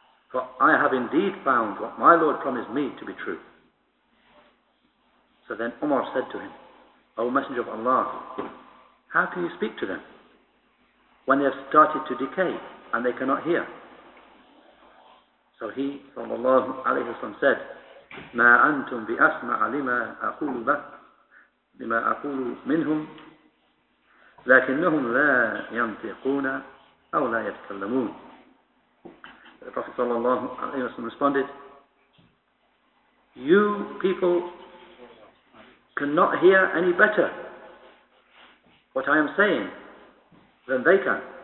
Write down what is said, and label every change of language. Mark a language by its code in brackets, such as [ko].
[en] For I have indeed found what my Lord promised me to be true. So then Umar said to him, O Messenger of Allah, how can you speak to them when they have started to decay and they cannot hear? So he, sallallahu alayhi wa sallam, said, [ar] ما أنتم بأسمع لما أقول لما أقول منهم لكنهم لا ينطقون أو لا يتكلمون. [en] The Prophet sallallahu alayhi wa sallam responded, you people cannot hear any better what I am saying than they can.